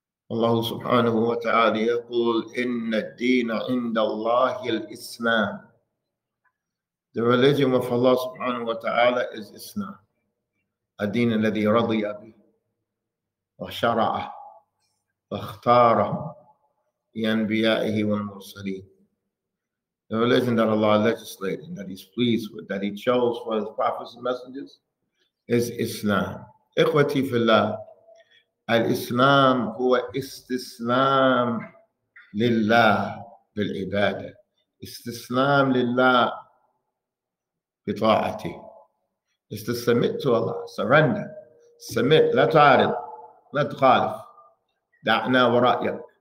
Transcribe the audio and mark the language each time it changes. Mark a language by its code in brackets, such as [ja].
[ar] الله سبحانه وتعالى يقول إن الدين عند الله الإسلام. [en] The religion of Allah [ar] سبحانه وتعالى [en] is Islam. [ar] الدين الذي رضي به وشرعه واختاره لأنبيائه والمرسلين. [en] The religion that Allah legislated, that He's pleased with, that He chose for His prophets and messengers, is Islam. [ar] إخوتي في الله, الإسلام هو استسلام لله بالعبادة, استسلام لله بطاعته. [en] It's to submit to Allah, surrender, submit, [ar] لا تعارض, لا تخالف, دعنا ورأيك.